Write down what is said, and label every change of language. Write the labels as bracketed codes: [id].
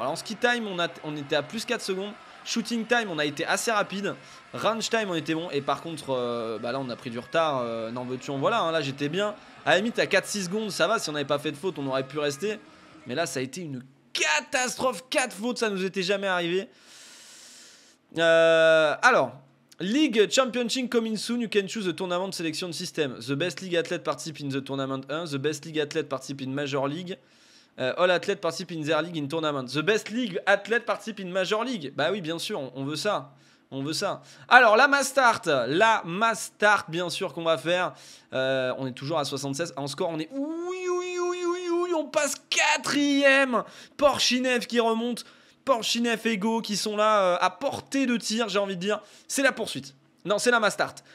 [fr] Alors, en ski time, on était à plus 4 secondes. Shooting time, on a été assez rapide. Range time, on était bon. Et par contre, là, on a pris du retard. N'en veux-tu, en voilà. Hein, là, j'étais bien. À la limite, à 4-6 secondes, ça va. Si on n'avait pas fait de faute, on aurait pu rester. Mais là, ça a été une catastrophe. 4 fautes, ça nous était jamais arrivé. [en] Alors, League Championship coming soon, you can choose the tournament selection system. The best league athlete participe in the tournament 1, the best league athlete participe in major league, all athlete participe in their league in tournament. The best league athlete participe in major league. [fr] Bah oui, bien sûr, on veut ça. Alors, la mass start, bien sûr qu'on va faire. On est toujours à 76, en score, on est... Oui, on passe 4ème. Porchineff qui remonte. Porchineff et Go qui sont là à portée de tir, j'ai envie de dire. C'est la poursuite. Non, c'est la mass start.